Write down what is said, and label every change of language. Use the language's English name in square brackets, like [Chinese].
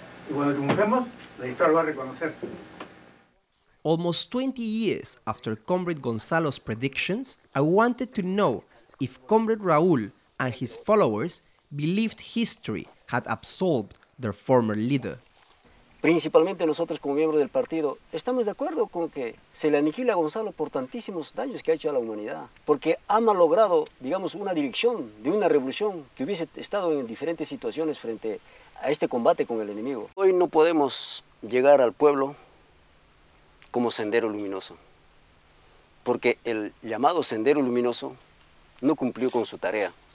[Spanish] Y cuando triunfemos, la historia lo va a reconocer. [English] Almost 20 years after Comrade Gonzalo's predictions, I wanted to know if Comrade Raúl and his followers believed history had absolved their former leader. [Spanish] Principalmente nosotros como miembros del partido estamos de acuerdo con que se le aniquila a Gonzalo por tantísimos daños que ha hecho a la humanidad, porque ha malogrado, digamos, una dirección de una revolución que hubiese estado en diferentes situaciones frente a este combate con el enemigo. Hoy no podemos llegar al pueblo como Sendero Luminoso, porque el llamado Sendero Luminoso no cumplió con su tarea.